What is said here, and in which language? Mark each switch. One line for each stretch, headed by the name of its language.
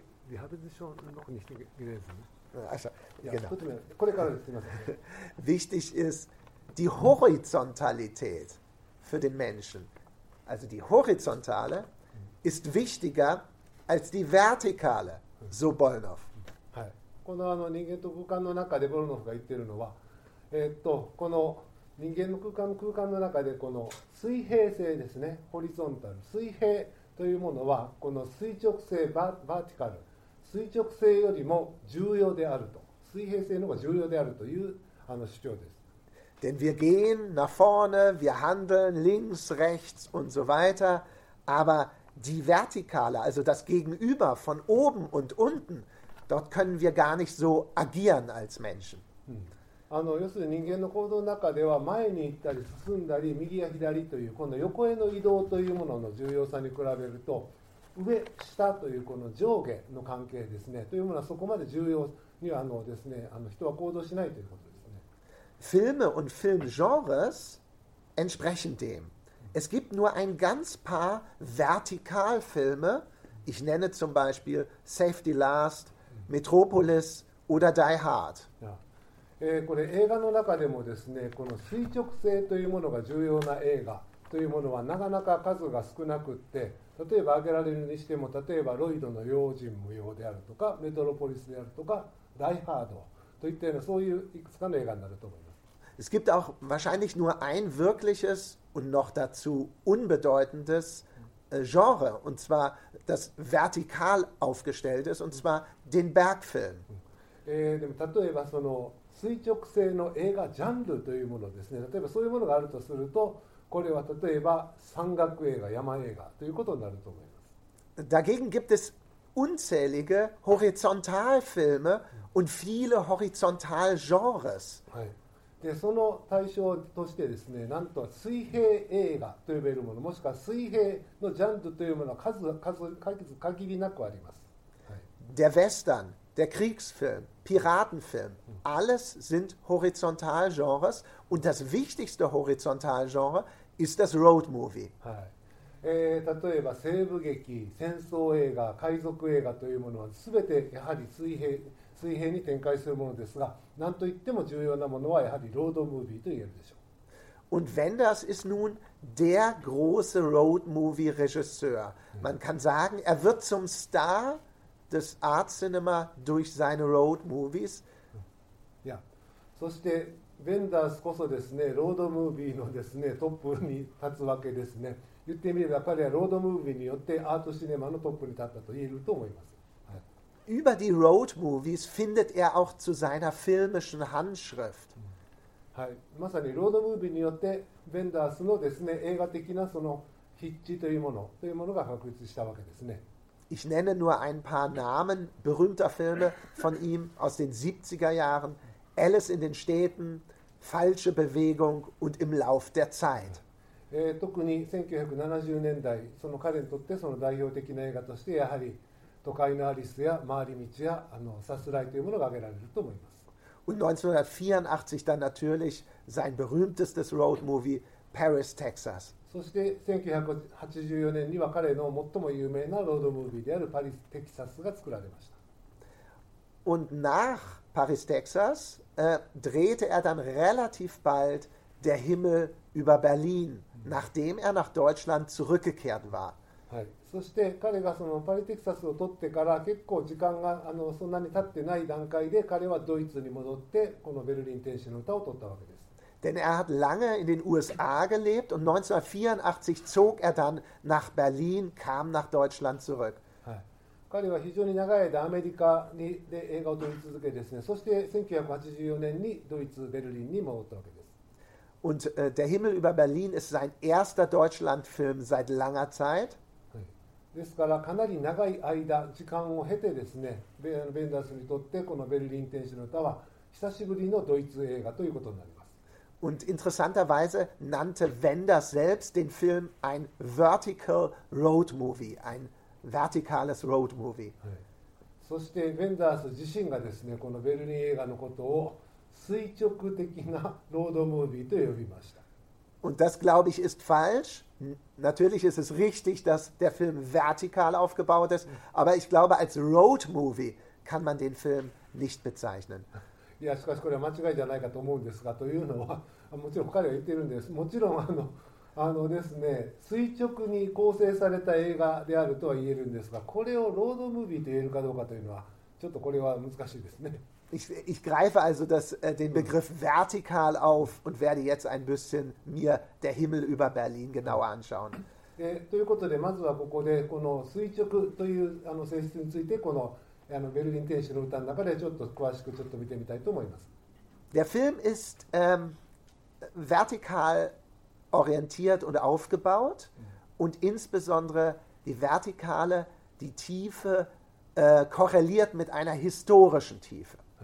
German: Wir haben es schon noch nicht gelesen. Wichtig ist die Horizontalität für den Menschen. Also die Horizontale ist wichtiger als die Vertikale, so Bolnow.
Japanese: この人間と空間の中でボルノフが言っているのは、この人間の空間の空間の中でこの水平性ですね、ホリゾンタル、水平というものはこの垂直性、バーティカル、垂直性よりも重要であると、水平性の方が重要であるという主張です。
German: Denn wir gehen nach vorne, wir handeln links, rechts und so weiter, aber die Vertikale, also das Gegenüber von oben und unten,Dort können wir gar nicht so agieren als Menschen.
Japanese: 要するに人間の行動の中では前に行ったり進んだり右や左というこの横への移動というものの重要さに比べると上下というこの上下の関係ですねというものはそこまで重要にはですね人は行動しないということですね。
German: Filme und Filmgenres entsprechen dem. Es gibt nur ein ganz paar Vertikalfilme. Ich nenne zum Beispiel Safety Last. Metropolis oder Die Hard.
Japanese: これ映画の中でもですね、この垂直性というものが重要な映画というものはなかなか数が少なくって、例えば挙げられるにしても、例えばロイドの用心無用であるとか、メトロポリスであるとか、ダイハードといったようなそういういくつかの映画になると思います。
German: Es gibt auch wahrscheinlich nur ein wirkliches und noch dazu unbedeutendes. Genre, und zwar das vertikal aufgestellt ist, und zwar den Bergfilm.
Japanese: でも例えばその垂直性の映画ジャンルというものですね。例えばそういうものがあるとすると、これは例えば山岳映画、山映画ということになると思います。
German: Dagegen gibt es unzählige Horizontalfilme und viele Horizontalgenres.
Japanese: はい。でその対象としてですね、なんと水平映画と呼べるもの、もしくは水平のジャンルというものは数限りなくあります。
German: Der Western, der Kriegsfilm, Piratenfilm, alles sind Horizontalgenres und das wichtigste Horizontalgenre ist das Road Movie.
Japanese: はい。例えば西部劇、戦争映画、海賊映画というものは全てやはり水平に展開するものですが、なんといっても重要なものはやはりロードムービーと言えるでしょう。
German: Und Wenders ist nun der große Road Movie Regisseur. Man kann sagen, wird zum Star des Art Cinema durch seine Road Movies.
Japanese: Ja, そしてWenders こそですね、ロードムービーのですね、トップに立つわけですね。言ってみれば彼はロードムービーによってアートシネマのトップに立ったと言えると思います。
German: Über die Road Movies findet auch zu seiner filmischen Handschrift.
Japanese: はい、まさにロードムービーによってベンダースのですね、映画的なその筆致というものが確立したわけですね。
German: Ich nenne nur ein paar Namen berühmter Filme von ihm aus den 70er Jahren: Alice in den Städten, Falsche Bewegung und Im Lauf der Zeit.
Japanese: 特に1970年代、その彼にとってその代表的な映画としてやはり都会のアリスや回り道やさすらいというものが挙げられると思います。
German: Und 1984 dann natürlich sein berühmtestes Road Movie Paris, Texas.
Japanese: そして1984年には彼の最も有名なロードムービーであるパリステキサスが作られました。
German: Und nach Paris, Texas, drehte dann relativ bald Der Himmel über Berlin, nachdem nach Deutschland zurückgekehrt war.
Japanese: はい、そして彼がそのパリテキサスを取ってから結構時間がそんなに経ってない段階で彼はドイツに戻ってこのベルリン天使の歌を取ったわけです。
German: Denn hat lange in den USA gelebt und 1984 zog dann nach Berlin, kam nach Deutschland zurück.
Japanese: 彼は非常に長い間アメリカにで映画を撮り続けですね、そして1984年にドイツ・ベルリンに戻ったわけです。
German: Und der Himmel über Berlin ist sein erster Deutschlandfilm seit langer Zeit.
Japanese: ですからかなり長い間時間を経てですね、ベンダースにとってこのベルリン天使の歌は久しぶりのドイツ映画ということになります。
German: Und interessanterweise nannte Wenders selbst den Film ein Vertical Road Movie, ein vertikales Road Movie.
Japanese: そしてベンダース自身がですね、このベルリン映画のことを垂直的なロードムービーと呼びました。
German: Und das glaube ich ist falsch. Natürlich ist es richtig, dass der Film vertikal aufgebaut ist, aber ich glaube als Road Movie kann man den Film nicht bezeichnen.
Japanese: いやしかしこれは間違いじゃないかと思うんですが、というのはもちろん彼は言っているんです。もちろんですね、垂直に構成された映画であるとは言えるんですが、これをロードムービーと言えるかどうかというのはちょっとこれは難しいですね。
German: Ich greife also das, den Begriff vertikal auf und werde jetzt ein bisschen mir der Himmel über Berlin genauer anschauen.
Japanese: ということで、まずはここでこの垂直という性質について、このベルリン天使の歌の中でちょっと詳しくちょっと見てみたいと思います。
German: Der Film ist vertikal orientiert und aufgebaut und insbesondere die Vertikale, die Tiefe korreliert mit einer historischen Tiefe.